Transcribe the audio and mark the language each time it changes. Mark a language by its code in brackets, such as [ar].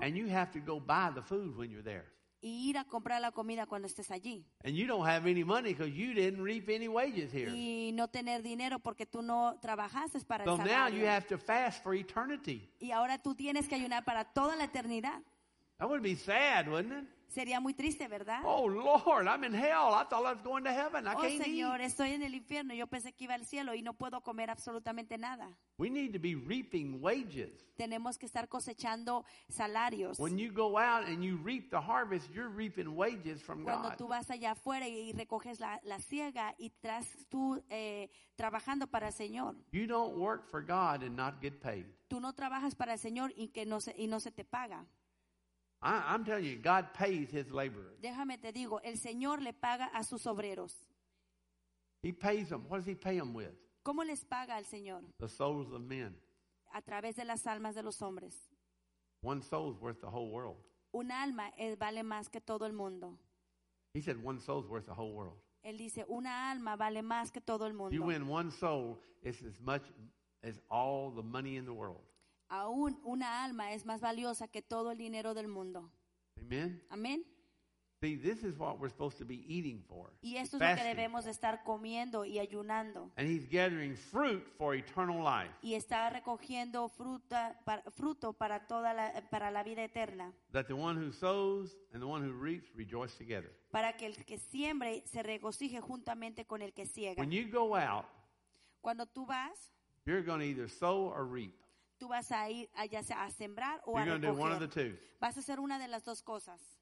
[en] and you have to go buy the food when you're there. [es] Y ir a comprar la comida cuando estés allí. [en] And you don't have any money because you didn't reap any wages here. [es] Y no tener dinero porque tú no trabajaste para [en] so [es] el salario. [en] Now you have to fast for eternity. [es] Y ahora tú tienes que ayunar para toda la eternidad. [en] That would be sad, wouldn't it? [es] Sería muy triste, ¿verdad? [en] Oh, Lord, I'm in hell. I thought I was going to heaven. I oh, can't [es] Señor, [en] eat. [es] Estoy en el infierno. Yo pensé que iba al cielo y no puedo comer absolutamente nada. [en] We need to be reaping wages. [es] Tenemos que estar cosechando salarios. [en] When you go out and you reap the harvest, you're reaping wages from [es] Cuando [en] God. [es] Cuando tú vas allá afuera y recoges la siega y traes tú trabajando para el Señor. [en] You don't work for God and not get paid. [es] Tú no trabajas para el Señor y no se te paga. [en] I'm telling you, God pays his laborers. [es] Déjame te digo, el Señor le paga a sus obreros. [en] He pays them. What does he pay them with? [es] ¿Cómo les paga el Señor? [en] The souls of men. [es] A través de las almas de los hombres. [en] One soul is worth the whole world. [es] Un alma vale más que todo el mundo. [en] He said one soul is worth the whole world. [es] Él dice, una alma vale más que todo el mundo. [en] You win one soul, it's as much as all the money in the world. [es] Aún una alma es más valiosa que todo el dinero del mundo. [en] Amen. [es] Amen. [en] See, this is what we're supposed to be eating for. [es] Y esto es lo que debemos estar comiendo y ayunando. [en] And he's gathering fruit for eternal life. [es] Y está recogiendo fruto para toda para la vida eterna. [en] That the one who sows and the one who reaps rejoice together. [es] Para que el que siembre se regocije juntamente con el que siega. [en] When you go out, [es] cuando tú vas, [en] you're going to either sow or reap. [es] Tú vas a ir ya sea a sembrar o [en] You're [es] a recoger. [en] Do one of the two. [es] Vas a hacer una de las dos cosas.